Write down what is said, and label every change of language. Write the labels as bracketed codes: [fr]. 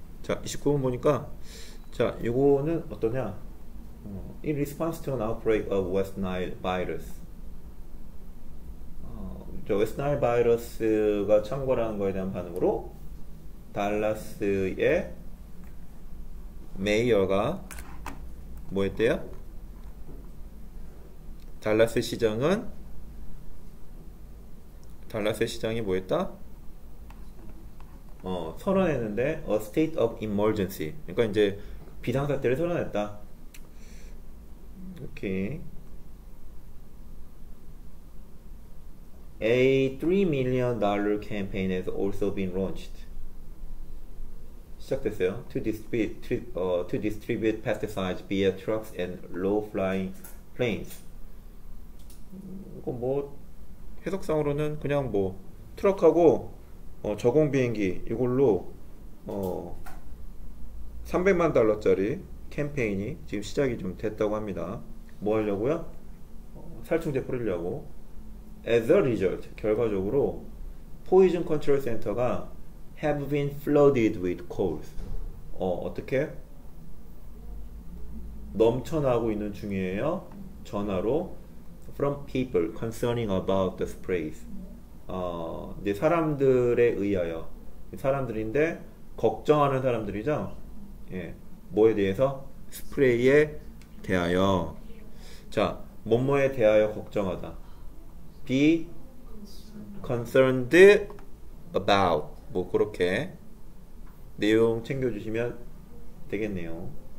[ko] 자, 29번 보니까, 자, 요거는 어떠냐? [en] In response to an outbreak of West Nile virus. [ko] 저 West Nile virus가 창궐한 거에 대한 반응으로, 달라스의 메이어가 뭐였대요? 달라스 시장이 뭐였다? 털어내는데 [en] a state of emergency. [ko] 그러니까 이제 비상사태를 털어냈다. 오케이. [en] A $3 million campaign has also been launched. [ko] 시작됐어요. [en] To distribute pesticides via trucks and low flying planes. [ko] 이거 뭐 해석상으로는 그냥 뭐 트럭하고 저공 비행기 이걸로 300만 달러짜리 캠페인이 지금 시작이 좀 됐다고 합니다. 뭐 하려고요? 살충제 뿌리려고. [en] As a result, [ko] 결과적으로 [en] Poison Control Center가 have been flooded with calls. [ko] 어떻게? 넘쳐나고 있는 중이에요. 전화로 [en] from people concerning about the sprays. [ko] 이제 사람들에 의하여 사람들인데 걱정하는 사람들이죠. 예, 뭐에 대해서? 스프레이에 대하여. 자, 뭐뭐에 대하여 걱정하다. [en] Be concerned about [ko] 뭐 그렇게 내용 챙겨주시면 되겠네요.